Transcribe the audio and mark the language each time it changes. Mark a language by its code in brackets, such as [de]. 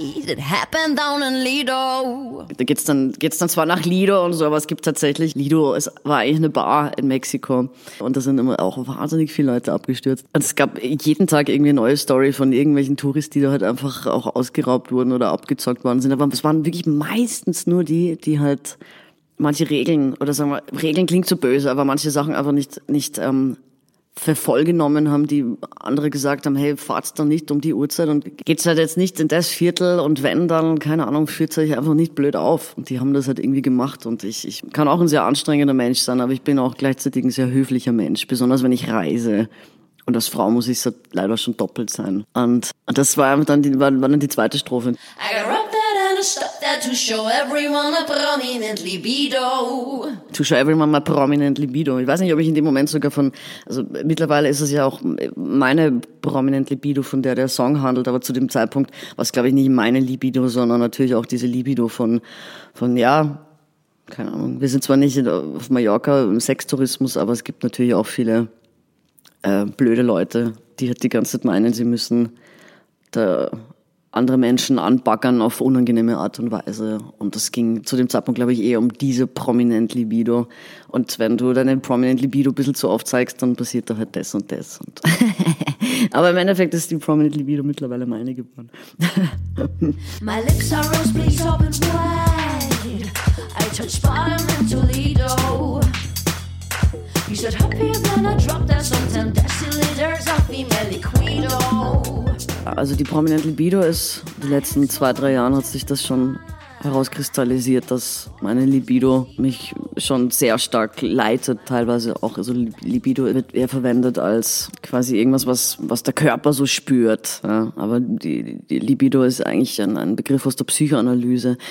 [en] It happened down in Lido. [de] Da geht's dann zwar nach Lido und so, aber es gibt tatsächlich, Lido, es war eigentlich eine Bar in Mexiko. Und da sind immer auch wahnsinnig viele Leute abgestürzt. Und es gab jeden Tag irgendwie eine neue Story von irgendwelchen Touristen, die da halt einfach auch ausgeraubt wurden oder abgezockt worden sind. Aber es waren wirklich meistens nur die halt manche Regeln, oder sagen wir, Regeln klingt so böse, aber manche Sachen einfach nicht vervollgenommen haben, die andere gesagt haben, hey, fahrt's dann nicht um die Uhrzeit und geht's halt jetzt nicht in das Viertel und wenn dann, keine Ahnung, führt's euch einfach nicht blöd auf. Und die haben das halt irgendwie gemacht und ich kann auch ein sehr anstrengender Mensch sein, aber ich bin auch gleichzeitig ein sehr höflicher Mensch, besonders wenn ich reise. Und als Frau muss ich so leider schon doppelt sein. Und das war dann die zweite Strophe. [en] I got rocked out and I stopped there to show everyone a prominent libido. To show everyone my prominent libido. [de] Ich weiß nicht, ob ich in dem Moment sogar von, also mittlerweile ist es ja auch meine prominent Libido, von der Song handelt, aber zu dem Zeitpunkt war es, glaube ich, nicht meine Libido, sondern natürlich auch diese Libido von ja, keine Ahnung. Wir sind zwar nicht auf Mallorca im Sextourismus, aber es gibt natürlich auch viele blöde Leute, die halt die ganze Zeit meinen, sie müssen da andere Menschen anbaggern auf unangenehme Art und Weise. Und das ging zu dem Zeitpunkt, glaube ich, eher um diese Prominent Libido. Und wenn du deine Prominent Libido ein bisschen zu oft zeigst, dann passiert da halt das und das. Und aber im Endeffekt ist die Prominent Libido mittlerweile meine geworden. [en] My lips are rose, please open wide. I touch bottom in Toledo. You said happy and then I dropped that some 10 deciliters of female liquido. [de] Also die Prominent Libido ist, in den letzten 2-3 Jahren hat sich das schon herauskristallisiert, dass meine Libido mich schon sehr stark leitet, teilweise auch, also Libido wird eher verwendet als quasi irgendwas, was der Körper so spürt. Ja, aber die Libido ist eigentlich ein Begriff aus der Psychoanalyse.